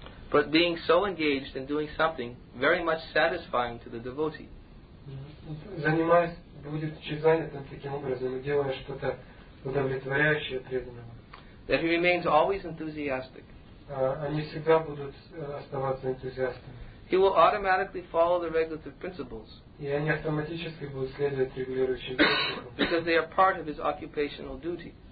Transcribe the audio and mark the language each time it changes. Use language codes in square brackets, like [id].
[en] But being so engaged in doing something very much satisfying to the devotee. [ru] Занимаясь, будет занятым таким образом, делая что-то удовлетворяющее преданному. [en] That he remains always enthusiastic. [ru] Они всегда будут оставаться энтузиастами. [en] He will automatically follow the regulative principles. [ru] И они автоматически будут следовать регулирующим принципам. [en] Because they are part of his occupational duty.